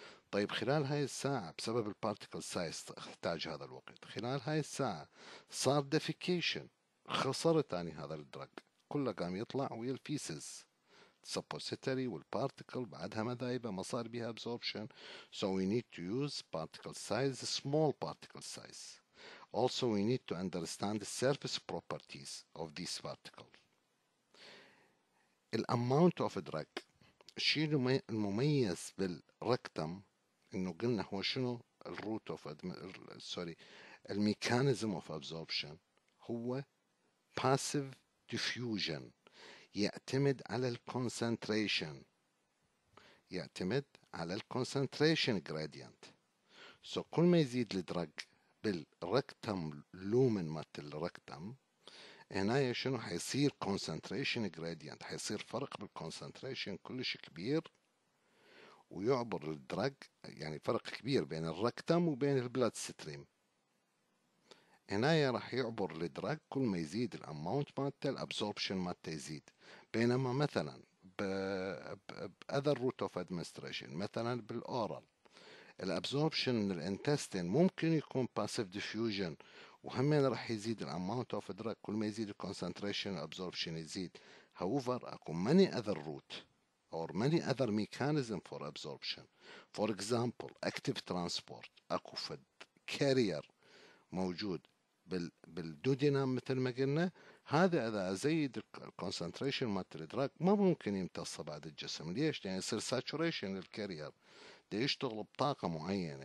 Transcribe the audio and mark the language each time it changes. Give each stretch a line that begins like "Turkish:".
Arabic: طيب خلال هاي الساعة بسبب البارتيكل سايز احتاج هذا الوقت، خلال هاي الساعة صار ديفيكيشن، خسرت أنا هذا الدرج كله قام يطلع ويا الفيسز سبوستري والبارتيكل بعدها مذايبة ما صار بها absorption.
English: So we need to use particle size, small particle size. Also we need to understand the surface properties of these particle. The amount of drug
Arabic: الشيء المميز بالركتم انه قلنا هو شنو الروت اوف سوري الميكانيزم اوف ابزوربشن، هو باسيف ديفيوجن، يعتمد على الكونسنتريشن، يعتمد على الكونسنتريشن جراديانت. سو كل ما يزيد الدرج بالركتم لومن مات الركتم هنا شنو حيصير كونسنتريشن جراديانت، حيصير فرق بالكونسنتريشن كلش كبير ويعبر الدرج، يعني فرق كبير بين الركتم وبين البلاد ستريم. هنا راح يعبر الدرج كل ما يزيد الاماونت مالته الابسوربشن مالته يزيد، بينما مثلا باذر روت اوف ادمنستريشن مثلا بالاورال الابسوربشن من الانتستين ممكن يكون باسيف ديفيوجن وهمين راح يزيد الاماونت اوف الدرج كل ما يزيد الكونسنتريشن الابسوربشن يزيد.
English: However اكو many other route or many other mechanism for absorption. For example, active transport.
Arabic: اكو فد كارير موجود بالدودينام مثل ما قلنا. هذا اذا ازيد concentration مثل الدراج ما ممكن يمتصه بعد الجسم. ليش؟ يعني يصير saturation للكارير. دي يشتغل بطاقة معينة.